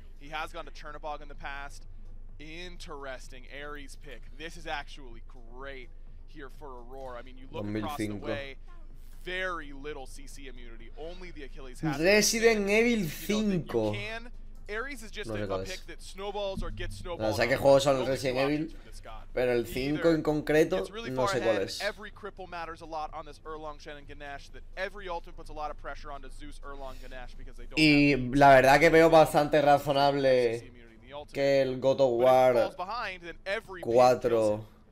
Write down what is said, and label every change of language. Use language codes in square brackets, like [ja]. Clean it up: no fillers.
[en] He has gone to Chernabog in the past. Interesting, Ares pick. This is actually great here for Aurora. I mean, you look across the way, very little CC immunity. Only the Achilles has. Resident Evil 5. Ares is just a pick that snowballs or gets snowballed. [es] No sé qué juegos son Resident Evil, pero el 5 en concreto no sé cuál es. [en] Every cripple matters a lot on this Erlong, Shen, and Ganesh. That every ultimate puts a lot of pressure onto Zeus, Erlong, Ganesh because they don't. [es] Y la verdad que veo bastante razonable que el God of War 4